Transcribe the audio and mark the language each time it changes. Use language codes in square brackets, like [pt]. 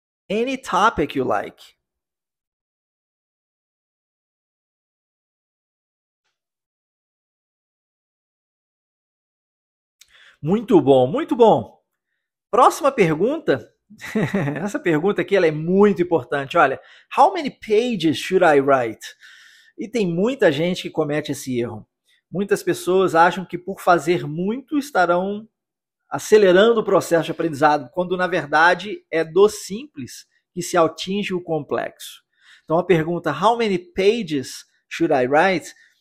[en] Any topic you like. [pt] Muito bom, muito bom. Próxima pergunta. Essa pergunta aqui ela é muito importante. Olha, [en] how many pages should I write? [pt] E tem muita gente que comete esse erro. Muitas pessoas acham que por fazer muito estarão acelerando o processo de aprendizado, quando na verdade é do simples que se atinge o complexo. Então a pergunta, [en] how many pages should I write?